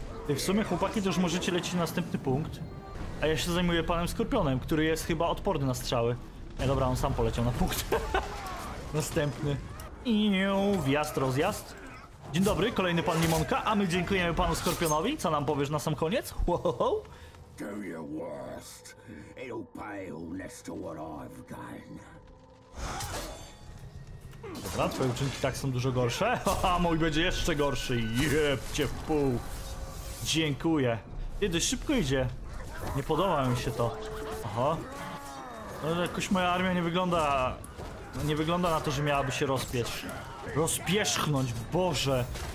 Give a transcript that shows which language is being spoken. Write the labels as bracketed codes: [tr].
[pl] Ty, w sumie chłopaki, to już możecie lecieć na następny punkt. A ja się zajmuję panem skorpionem, który jest chyba odporny na strzały. Nie, dobra, on sam poleciał na punkt. Następny. I wjazd, rozjazd. Dzień dobry, kolejny pan Limonka, a my dziękujemy panu Skorpionowi. Co nam powiesz na sam koniec? [en] Do your worst. It'll pale next to what I've done. [pl] Dobra, twoje uczynki tak są dużo gorsze. Haha, mój będzie jeszcze gorszy. Jeb cię w pół. Dziękuję. Ty, dość szybko idzie. Nie podoba mi się to. Aha. No, jakoś moja armia nie wygląda... Nie wygląda na to, że miałaby się rozpierzchnąć. Boże.